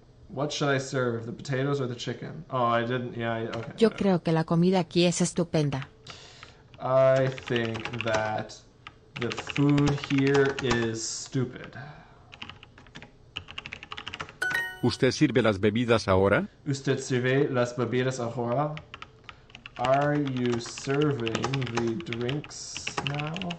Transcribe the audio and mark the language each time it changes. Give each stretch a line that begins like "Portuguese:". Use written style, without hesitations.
English: What should I serve, the potatoes or the chicken? Oh, I didn't, yeah, okay.
Spanish: Yo creo que la comida aquí es estupenda.
English: I think that the food here is stupid.
Spanish: ¿Usted sirve las bebidas ahora? ¿Usted sirve las bebidas ahora?
English: Are you serving the drinks now?